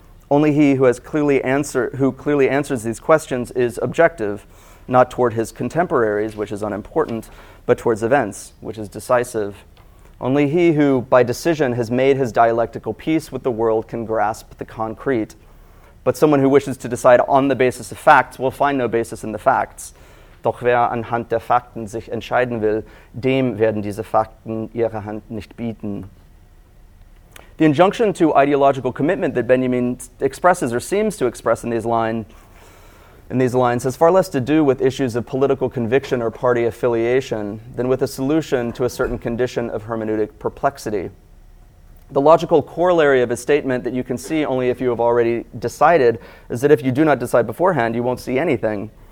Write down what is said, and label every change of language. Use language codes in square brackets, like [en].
[en] Only he who has clearly answers these questions is objective, not toward his contemporaries, which is unimportant, but towards events, which is decisive. Only he who, by decision, has made his dialectical peace with the world can grasp the concrete. But someone who wishes to decide on the basis of facts will find no basis in the facts. [de] Doch wer anhand der Fakten sich entscheiden will, dem werden diese Fakten ihre Hand nicht bieten. [en] The injunction to ideological commitment that Benjamin expresses or seems to express in these lines has far less to do with issues of political conviction or party affiliation than with a solution to a certain condition of hermeneutic perplexity. The logical corollary of a statement that you can see only if you have already decided is that if you do not decide beforehand, you won't see anything.